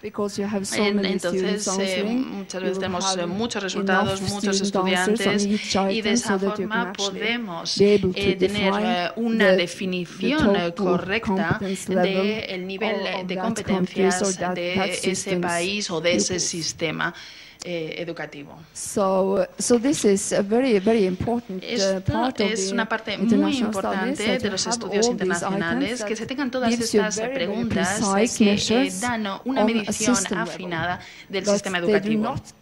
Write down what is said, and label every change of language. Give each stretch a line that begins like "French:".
Spanish: Entonces, muchas veces tenemos muchos resultados, muchos estudiantes, y de esa forma podemos tener una definición correcta del nivel de competencias de ese país o de ese sistema educativo.
English: So this is a very important part of
Spanish: es una parte muy importante de los estudios internacionales, que se tengan todas estas preguntas que dan una medición afinada del sistema educativo.